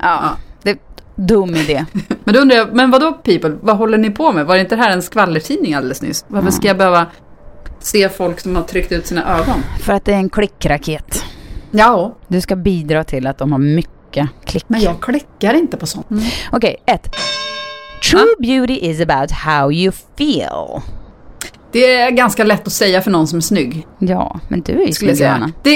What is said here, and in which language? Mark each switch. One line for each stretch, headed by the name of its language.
Swedish: Ja, ja. Det är dum idé. Men då undrar jag, men vadå People? Vad håller ni på med? Var det inte det här en skvallertidning alldeles nyss? Varför ska jag behöva se folk som har tryckt ut sina ögon? För att det är en klickraket. Ja. Du ska bidra till att de har mycket klick. Men jag klickar inte på sånt. Mm. Okej, okay, ett...
English: True beauty is about how you feel.
Swedish: Det är ganska lätt att säga för någon som är snygg. Ja, men du är ju snygg, Anna.